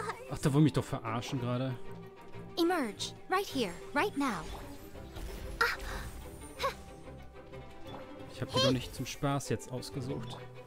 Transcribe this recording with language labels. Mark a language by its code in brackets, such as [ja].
[de] Ach, da wollen mich doch verarschen gerade. [en] Emerge, right here, right now. [de] Ich Ich habe die doch nicht zum Spaß jetzt ausgesucht.